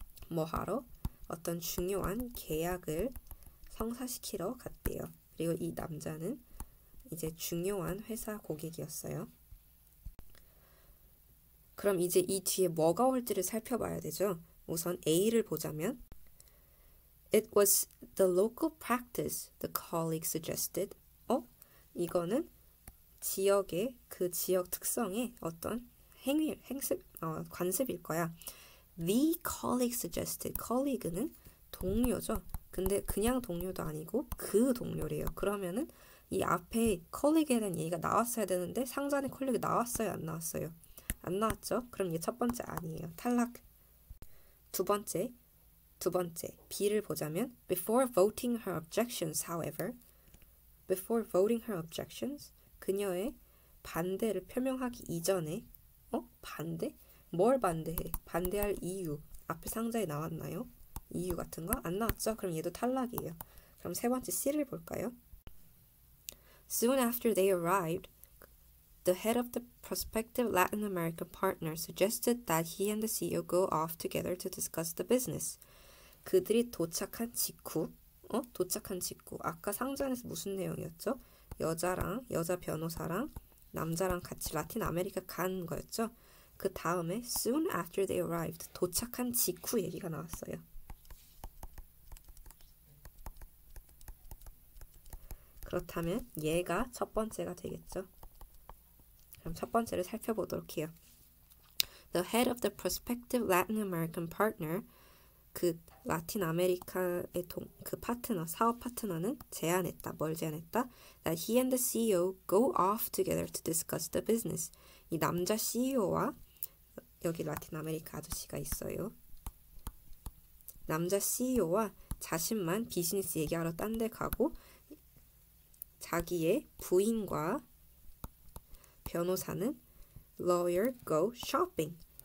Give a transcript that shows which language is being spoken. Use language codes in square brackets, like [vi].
[ko] 뭐 하러? 어떤 중요한 계약을 성사시키러 갔대요. 그리고 이 남자는 이제 중요한 회사 고객이었어요. 그럼 이제 이 뒤에 뭐가 올지를 살펴봐야 되죠. [en] 우선 A를 보자면 It was the local practice, the colleague suggested. [ko] 이거는 지역의 그 지역 특성의 어떤 행위, 행습, 관습일 거야. [en] The colleague suggested. colleague는 [ko] 동료죠. 근데 그냥 동료도 아니고 그 동료래요. 그러면은 이 앞에 colleague에 대한 얘기가 나왔어야 되는데 상전의 colleague 나왔어요, 안 나왔어요? 안 나왔죠? 그럼 얘첫 번째 아니에요. 탈락. 두 번째 B를 보자면 [en] before voting her objections, however. Before voting her objections, [ko] 그녀의 반대를 표명하기 이전에, 반대? 뭘 반대해? 반대할 이유. 앞에 상자에 나왔나요? 이유 같은 거? 안 나왔죠? 그럼 얘도 탈락이에요. 그럼 세 번째 C를 볼까요? [en] Soon after they arrived, the head of the prospective Latin American partner suggested that he and the CEO go off together to discuss the business. [ko] 그들이 도착한 직후, 도착한 직후 아까 상전에서 무슨 내용이었죠? 여자랑 여자 변호사랑 남자랑 같이 라틴 아메리카 간 거였죠? 그 다음에 [en] soon after they arrived [ko] 도착한 직후 얘기가 나왔어요. 그렇다면 얘가 첫 번째가 되겠죠? 그럼 첫 번째를 살펴보도록 해요. [en] The head of the prospective Latin American partner [ko] 그 라틴 아메리카의 그 파트너, 사업 파트너는 제안했다. 뭘 제안했다? [en] That he and the CEO go off together to discuss the business. [ko] 이 남자 CEO와 여기 라틴 아메리카 아저씨가 있어요. 남자 CEO와 자신만 비즈니스 얘기하러 딴데 가고 자기의 부인과 변호사는 [en] lawyer go shopping.